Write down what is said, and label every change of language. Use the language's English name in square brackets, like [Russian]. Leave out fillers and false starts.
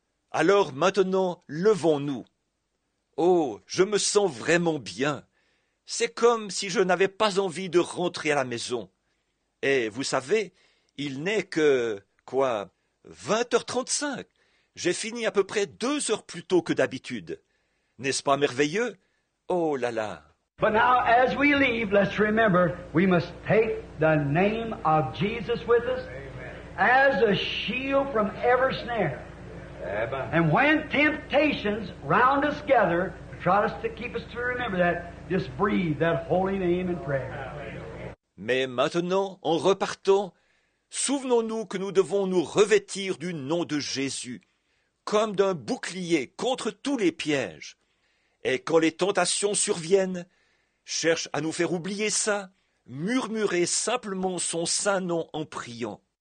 [French] Alors maintenant, levons-nous. Oh, je me sens vraiment bien. C'est comme si je n'avais pas envie de rentrer à la maison. Et vous savez, il n'est que, quoi, 20h35. J'ai fini à peu près 2 heures plus tôt que d'habitude. N'est-ce pas merveilleux? Oh là là! [English] But now, as we leave, let's remember, we must take the name of Jesus with us. As a shield from every snare. Amen. And when temptations round us gather, try us to keep us to remember that, just breathe that holy name in prayer. [French] Mais maintenant, en repartant, souvenons-nous que nous devons nous revêtir du nom de Jésus, comme d'un bouclier contre tous les pièges. Et quand les tentations surviennent, cherche à nous faire oublier ça, murmurez simplement son saint nom en priant.